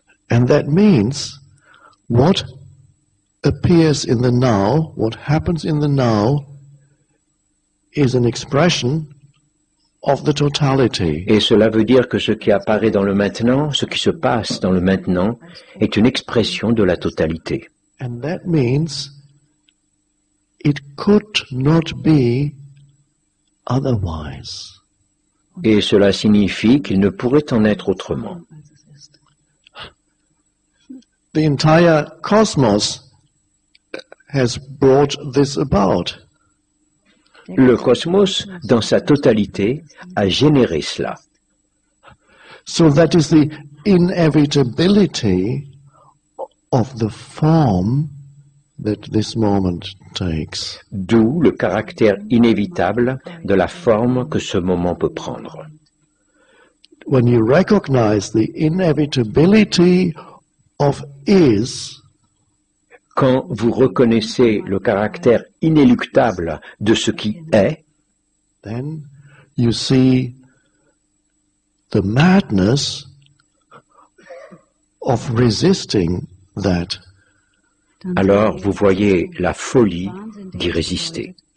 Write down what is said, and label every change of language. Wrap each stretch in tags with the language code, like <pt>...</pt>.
<en>And that means what appears in the now, what happens in the now, is an expression of the totality.</en> <fr>Et cela veut dire que ce qui apparaît dans le maintenant, ce qui se passe dans le maintenant, est une expression de la totalité.</fr> <en>And that means it could not be otherwise.</en> <fr>Et cela signifie qu'il ne pourrait en être autrement.</fr> <en>The entire cosmos has brought this about.</en> <fr>Le cosmos, dans sa totalité, a généré cela.</fr> <en>So that is the inevitability of the form that this moment takes.</en> <fr>D'où le caractère inévitable de la forme que ce moment peut prendre.</fr> <en>When you recognize the inevitability of is,</en> <fr>quand vous reconnaissez le caractère inéluctable de ce qui est,</fr> <en>then you see the madness of resisting that.</en> <fr>Alors vous voyez la folie d'y résister.</fr>